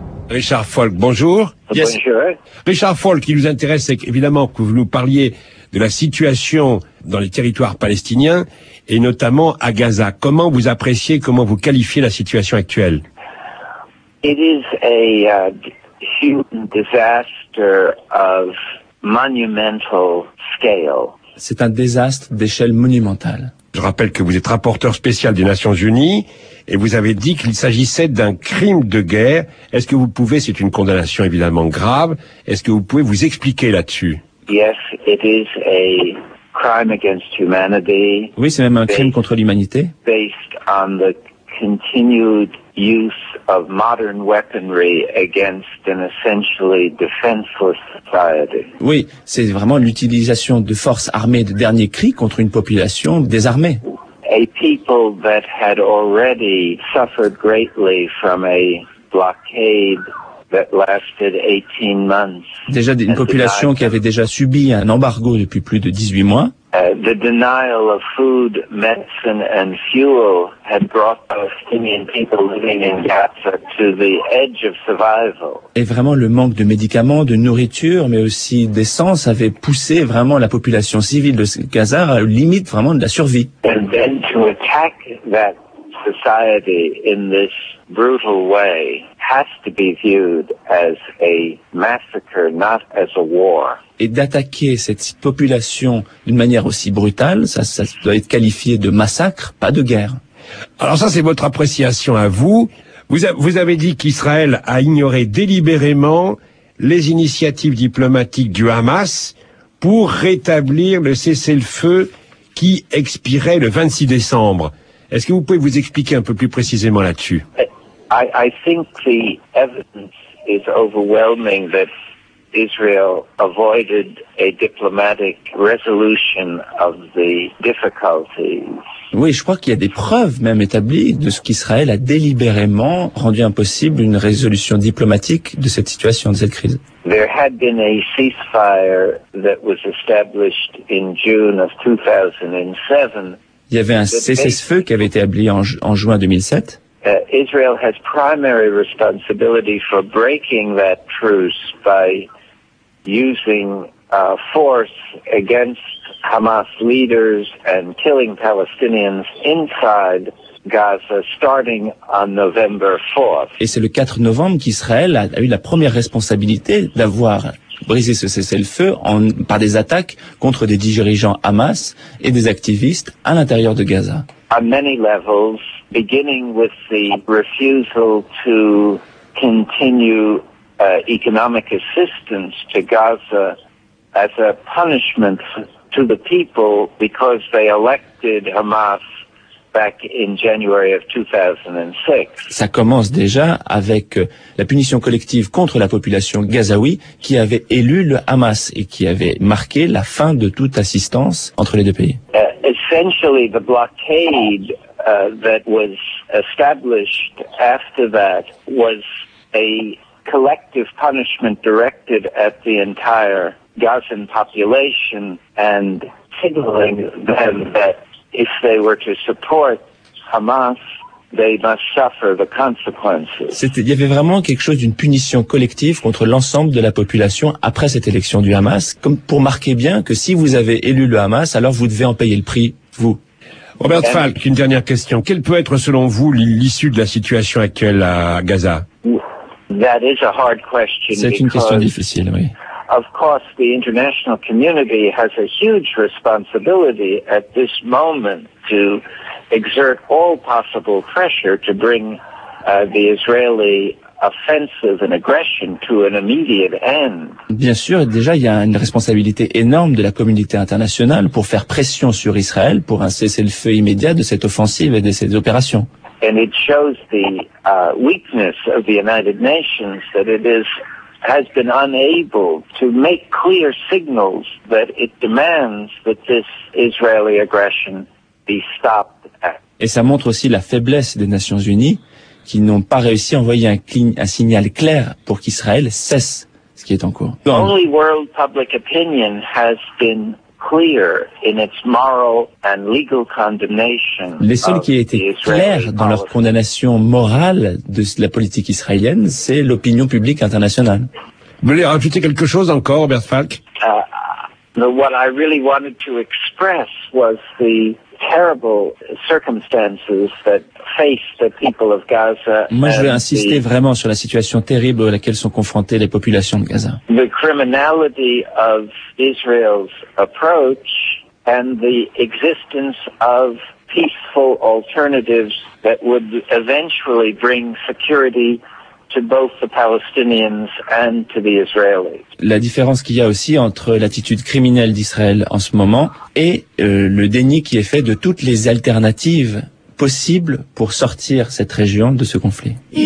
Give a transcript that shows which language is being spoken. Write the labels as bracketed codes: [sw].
[fr] Richard Folk, bonjour. [en] Yes. [fr] Bonjour. Richard Folk, ce qui nous intéresse, c'est évidemment que vous nous parliez de la situation dans les territoires palestiniens, et notamment à Gaza. Comment vous appréciez, comment vous qualifiez la situation actuelle ? [en] It is a human disaster of monumental scale. [fr] C'est un désastre d'échelle monumentale. Je rappelle que vous êtes rapporteur spécial des Nations Unies et vous avez dit qu'il s'agissait d'un crime de guerre. Est-ce que vous pouvez, c'est une condamnation évidemment grave, est-ce que vous pouvez vous expliquer là-dessus ? [en] Yes, it is a crime against humanity. [fr] Oui, c'est même un crime contre l'humanité. [en] Based on the continued use of modern weaponry against an essentially defenseless society. [fr] Oui, c'est vraiment l'utilisation de forces armées de dernier cri contre une population désarmée. [en] A people that had already suffered greatly from a blockade that lasted 18 months. [fr] Déjà une population qui avait déjà subi un embargo depuis plus de 18 mois. [en] The denial of food, medicine and fuel had brought Palestinian people living in Gaza to the edge of survival. [fr] Et vraiment le manque de médicaments, de nourriture mais aussi d'essence avait poussé vraiment la population civile de Gaza à la limite vraiment de la survie. [en] And then to attack that society in this brutal way has to be viewed as a massacre, not as a war. [fr] Et d'attaquer cette population d'une manière aussi brutale, ça doit être qualifié de massacre, pas de guerre. Alors ça, c'est votre appréciation à vous. Vous avez dit qu'Israël a ignoré délibérément les initiatives diplomatiques du Hamas pour rétablir le cessez-le-feu qui expirait le 26 décembre. Est-ce que vous pouvez vous expliquer un peu plus précisément là-dessus ? [en] I think the evidence is overwhelming that Israel avoided a diplomatic resolution of the difficulties. [fr] Oui, je crois qu'il y a des preuves même établies de ce qu'Israël a délibérément rendu impossible une résolution diplomatique de cette situation, de cette crise. [en] There had been a ceasefire that was established in June of 2007. [fr] Il y avait un cessez-le-feu qui avait été établi en juin 2007. [en] Israel has primary responsibility for breaking that truce by using force against Hamas leaders and killing Palestinians inside Gaza starting on November 4th. [fr] Et c'est le 4 novembre qu'Israël a eu la première responsabilité d'avoir brisé ce cessez-le-feu par des attaques contre des dirigeants Hamas et des activistes à l'intérieur de Gaza. [en] On many levels, beginning with the refusal to continue economic assistance to Gaza as a punishment to the people because they elected Hamas back in January of 2006. [fr] Ça commence déjà avec la punition collective contre la population gazaoui qui avait élu le Hamas et qui avait marqué la fin de toute assistance entre les deux pays. [en] Essentially, the blockade that was established after that was a collective punishment directed at the entire Gazan population and signaling them that if they were to support Hamas, they must suffer the consequences. [fr] Il y avait vraiment quelque chose d'une punition collective contre l'ensemble de la population après cette élection du Hamas, comme pour marquer bien que si vous avez élu le Hamas, alors vous devez en payer le prix, vous. Robert Falk, une dernière question. Quelle peut être, selon vous, l'issue de la situation actuelle à Gaza ? [en] That is a hard question. [fr] C'est une question difficile, oui. [en] Of course, the international community has a huge responsibility at this moment to exert all possible pressure to bring the Israeli offensive and aggression to an immediate end. [fr] Bien sûr, déjà, il y a une responsabilité énorme de la communauté internationale pour faire pression sur Israël pour un cessez-le-feu immédiat de cette offensive et de ces opérations. [en] And it shows the weakness of the United Nations that it has been unable to make clear signals that it demands that this Israeli aggression be stopped. [fr] Et ça montre aussi la faiblesse des Nations Unies qui n'ont pas réussi à envoyer un signal clair pour qu'Israël cesse ce qui est en cours. [en] Only world public opinion has been clear in its moral and legal condemnation. [fr] Les seuls qui étaient clairs dans leur condamnation morale de la politique israélienne, c'est l'opinion publique internationale. Vous voulez rajouter quelque chose encore, Bert Falk? [en] What I really wanted to express was the terrible circumstances that face the people of Gaza. [fr] Moi, je veux insister vraiment sur la situation terrible à laquelle sont confrontées les populations de Gaza. [en] The criminality of Israel's approach and the existence of peaceful alternatives that would eventually bring security to both the Palestinians and to the Israelis. [fr] La différence qu'il y a aussi entre l'attitude criminelle d'Israël en ce moment et le déni qui est fait de toutes les alternatives possibles pour sortir cette région de ce conflit.